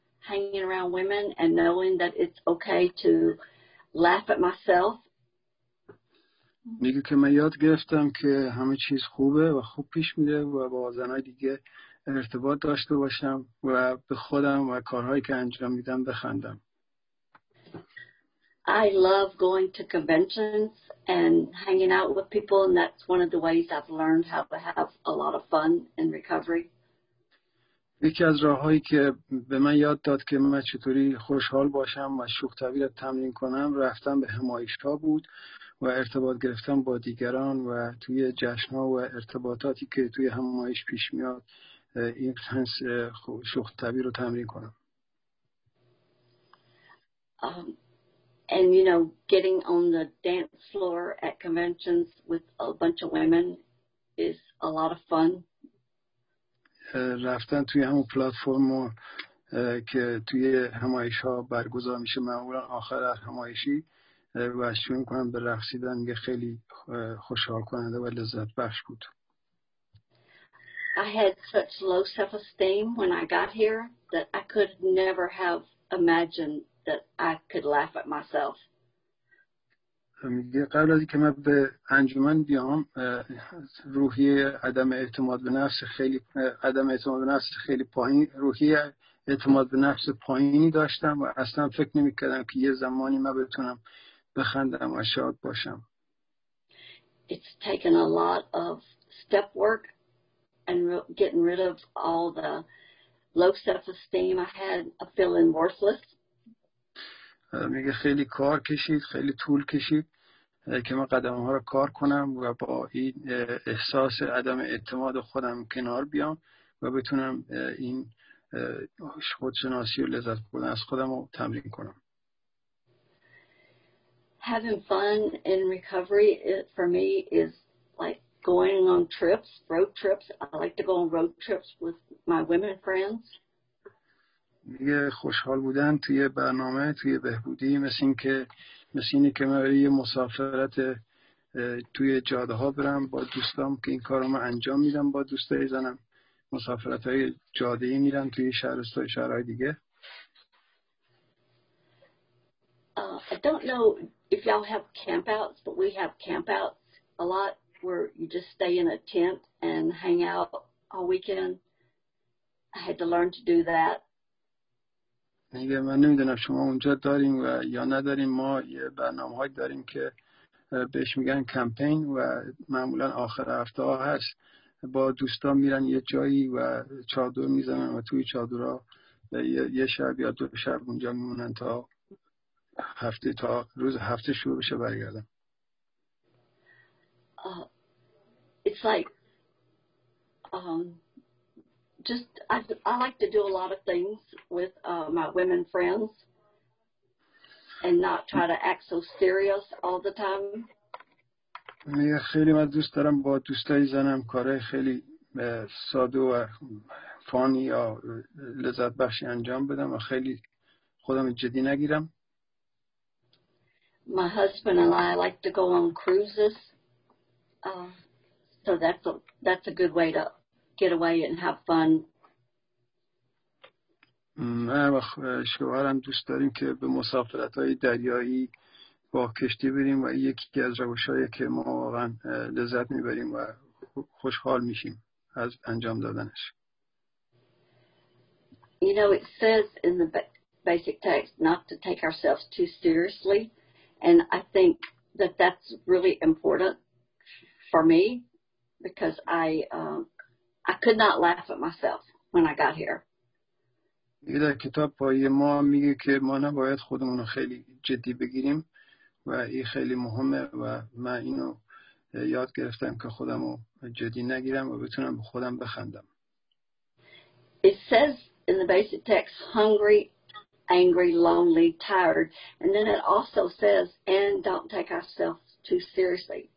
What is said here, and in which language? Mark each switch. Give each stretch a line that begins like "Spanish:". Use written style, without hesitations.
English: Hanging around women and knowing that it's okay to laugh at myself.
Persian: میگه که من یاد گرفتم که همه چیز خوبه و خوب پیش میره و با زنهای دیگه ارتباط داشته باشم و به خودم و کارهایی که انجام میدم بخندم.
English: I love going to conventions and hanging out with people, and that's one of the ways I've learned how to have a lot of fun in recovery.
Persian: یکی از راه‌هایی که به من یاد داد که من چطوری خوشحال باشم و شوخ‌طبعی را تمرین کنم رفتن به همایش‌ها بود و ارتباط گرفتن با دیگران و توی جشن‌ها و ارتباطاتی که توی همایش پیش میاد این سنس شوخ‌طبعی رو تمرین کنم.
English: And you know, getting on the dance floor at conventions with a bunch of women is a lot of fun.
Persian: رفتن توی همون پلتفرم که توی همایش ها برگزار میشه معمولا آخر هر همایشی و شروع میکنم به رقصیدن یه خیلی خوشحال کننده و لذت بخش بود.
English: I had such low self-esteem when I got here that I could never have imagined that I could laugh at myself.
Persian: میگه قبل از اینکه من به انجمن بیام روحیه عدم اعتماد به نفس خیلی پایین روحیه اعتماد به نفس پایینی داشتم و اصلا فکر نمی‌کردم که یه زمانی من بتونم بخندم و شاد باشم.
English: It's taken a lot of step work and getting rid of all the low self-esteem I had, a feeling worthless.
Persian: میگه خیلی کار کشید، خیلی طول کشید که من قدم‌ها رو کار کنم و با این احساس عدم اعتماد خودم کنار بیام و بتونم این خودشناسی و لذت بردن از خودم رو تمرین کنم.
English: Having fun in recovery for me is like going on trips, road trips. I like to go on road trips with my women friends.
Persian: دیگه خوشحال بودن توی برنامه توی بهبودی مثل اینکه من یه مسافرت توی جاده ها برم با دوستام که این کارو من انجام میدم با دوستای زنم مسافرت های جاده ای میرم توی شهرهای دیگه.
English: I don't know if y'all have campouts, but we have campouts a lot where you just stay in a tent and hang out all weekend. I had to learn to do that.
Persian: میگه من نمیدونم شما اونجا داریم و یا نداریم. ما یه برنامه های داریم که بهش میگن کمپین و معمولا آخر هفته ها هست با دوستان میرن یه جایی و چادر میزنن و توی چادرها یه شب یا دو شب اونجا میمونن تا روز هفته شروع بشه برگردن.
English: I like to do a lot of things with my women friends and not try to act so serious all the time.
Persian: میگه خیلی من دوست دارم با دوستای زنم کارهای خیلی ساده و فانی یا لذت بخشی انجام بدم و خیلی خودم جدی نگیرم.
English: My husband and I like to go on cruises. So that's a good way to get away and have fun.
Persian: ما شوهرم دوست داریم که به مسافرت‌های دریایی با کشتی بریم و یکی از روش‌هایی که ما واقعا لذت می‌بریم و خوشحال می‌شیم از انجام دادنش.
English: You know, it says in the basic text not to take ourselves too seriously, and I think that's really important for me because I could not laugh at myself when I got here.
Persian: یه کتاب پای ما میگه که ما نباید خودمون رو خیلی جدی بگیریم و این خیلی مهمه و من اینو یاد گرفتم که خودم رو جدی نگیرم و بتونم به خودم بخندم.
English: It says in the basic text, hungry, angry, lonely, tired. And then it also says, and don't take ourselves too seriously.